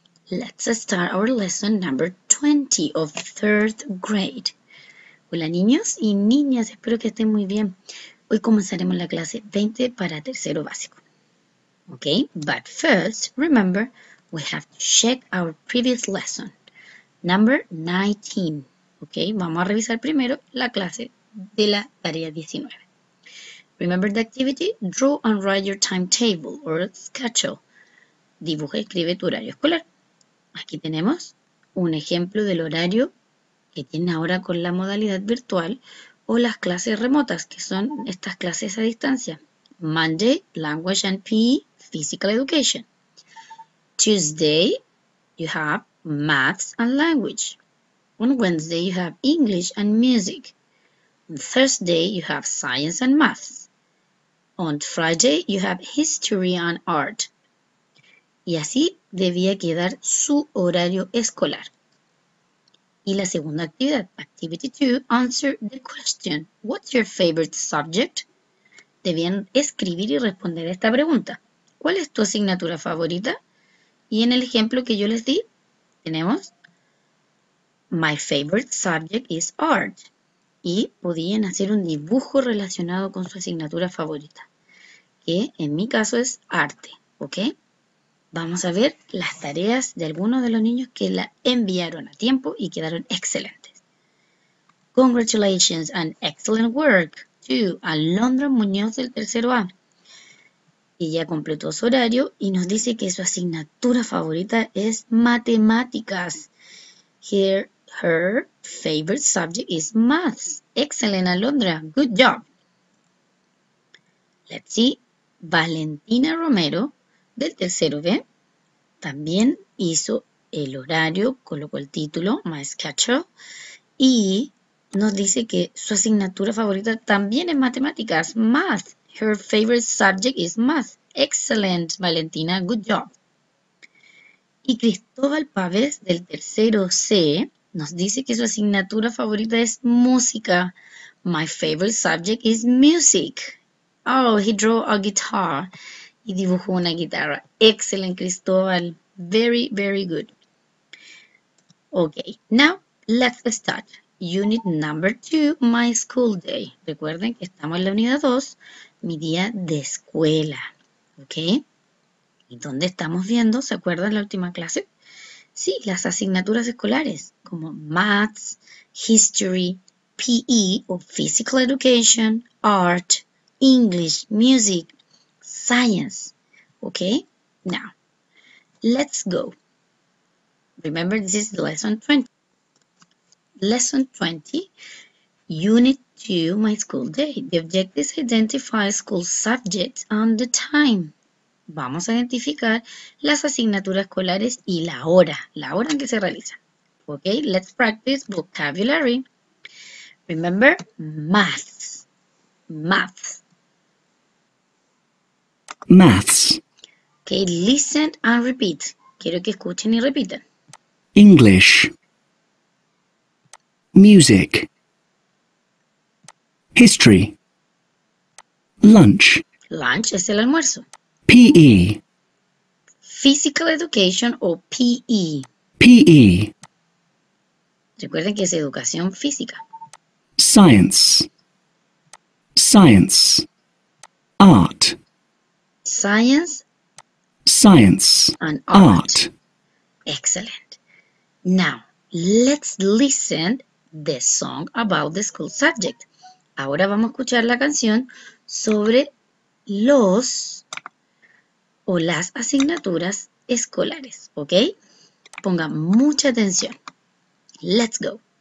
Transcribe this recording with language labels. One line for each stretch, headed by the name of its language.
English: Let's start our lesson number 20 of third grade.
Spanish: Hola, niños y niñas. Espero que estén muy bien. Hoy comenzaremos la clase 20 para tercero básico.
English: Okay, but first, remember, we have to check our previous lesson, number 19.
Spanish: Okay, vamos a revisar primero la clase de la tarea 19.
English: Remember the activity? Draw and write your timetable or schedule.
Spanish: Dibuja y escribe tu horario escolar. Aquí tenemos un ejemplo del horario que tienen ahora con la modalidad virtual o las clases remotas, que son estas clases a distancia.
English: Monday, Language and PE, Physical Education. Tuesday, you have Maths and Language. On Wednesday, you have English and Music. On Thursday, you have science and maths. On Friday, you have history and art.
Spanish: Y así debía quedar su horario escolar. Y la segunda actividad,
English: activity 2, answer the question, what's your favorite subject?
Spanish: Debían escribir y responder esta pregunta. ¿Cuál es tu asignatura favorita? Y en el ejemplo que yo les di, tenemos,
English: my favorite subject is art.
Spanish: Y podían hacer un dibujo relacionado con su asignatura favorita, que en mi caso es arte, ¿ok? Vamos a ver las tareas de algunos de los niños que la enviaron a tiempo y quedaron excelentes.
English: Congratulations and excellent work to Alondra Muñoz
Spanish: del tercero A. Ella completó su horario y nos dice que su asignatura favorita es matemáticas.
English: Here. Her favorite subject is maths. Excellent, Alondra. Good job. Let's see.
Spanish: Valentina Romero, del tercero B, también hizo el horario, colocó el título,
English: my schedule,
Spanish: y nos dice que su asignatura favorita también es matemáticas, math.
English: Her favorite subject is math. Excellent, Valentina. Good job.
Spanish: Y Cristóbal Pávez, del tercero C, nos dice que su asignatura favorita es música.
English: My favorite subject is music. Oh, he drew a guitar.
Spanish: Y dibujó una guitarra.
English: Excellent, Cristóbal. Very, very good. Okay, now let's start. Unit number 2, my school day.
Spanish: Recuerden que estamos en la unidad 2, mi día de escuela. Okay. ¿Y dónde estamos viendo? ¿Se acuerdan la última clase? Sí, las asignaturas escolares, como Maths, History, PE o Physical Education, Art, English, Music, Science.
English: Ok, now, let's go. Remember, this is lesson 20. Lesson 20, Unit 2, My School Day. The objectives identify school subjects and the time.
Spanish: Vamos a identificar las asignaturas escolares y la hora en que se realizan.
English: Ok, let's practice vocabulary. Remember, maths. Maths. Maths. Ok, listen and repeat.
Spanish: Quiero que escuchen y repitan.
English: English. Music. History. Lunch.
Spanish: Lunch es el almuerzo.
English: P.E. Physical Education o P.E. P.E.
Spanish: Recuerden que es educación física.
English: Science. Science. Art. Science. Science. And art. Excellent. Now, let's listen the song about the school subject.
Spanish: Ahora vamos a escuchar la canción sobre los o las asignaturas escolares, ¿ok? Ponga mucha atención.
English: Let's go.